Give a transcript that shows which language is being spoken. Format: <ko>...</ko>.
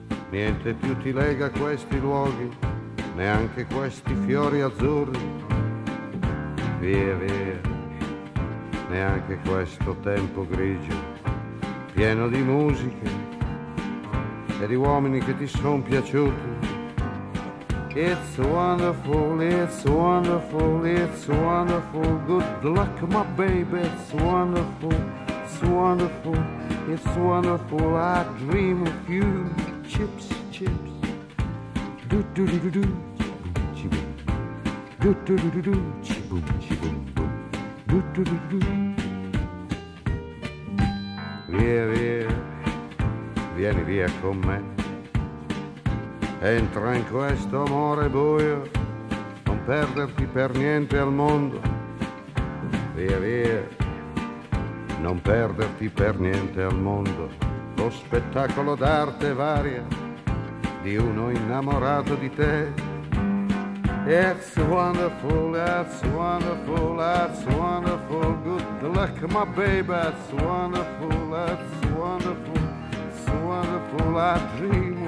<it>Niente più ti lega a questi luoghi, neanche questi fiori azzurri. Via, via, neanche questo tempo grigio, pieno di musiche e di uomini che ti son piaciuti.</it> <en>It's wonderful, it's wonderful, it's wonderful. Good luck, my baby, it's wonderful, it's wonderful, it's wonderful. I dream of you, chips, chips. Do do do do do, chibum chibum. Do do do do do, chibum chibum boom. Do do do do do.</en> <it>Via via, vieni via con me. Entra in questo amore buio, non perderti per niente al mondo. Via via, non perderti per niente al mondo. Lo spettacolo d'arte varia di uno innamorato di te.</it> <en>It's wonderful, that's wonderful, that's wonderful. Good luck, my baby, that's wonderful, that's wonderful, it's wonderful, I dream.</en>